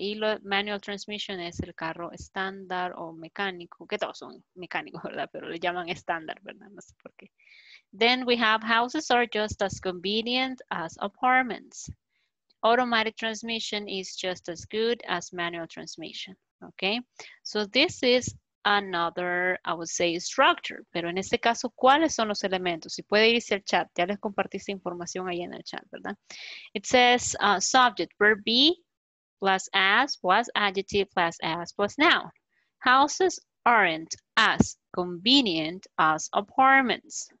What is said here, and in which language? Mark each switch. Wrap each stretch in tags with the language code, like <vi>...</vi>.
<es>Y lo, manual transmission es el carro estándar o mecánico, que todos son mecánicos, ¿verdad? Pero le llaman estándar, ¿verdad? No sé por qué.</es> <en>Then we have houses are just as convenient as apartments. Automatic transmission is just as good as manual transmission, okay? So this is another, I would say, structure.</en> <es>Pero en este caso, ¿cuáles son los elementos? Si puede irse al chat, ya les compartí esta información ahí en el chat, ¿verdad?</es> <en>It says subject, verb be plus as plus adjective plus as plus noun. Houses aren't as convenient as apartments.</en>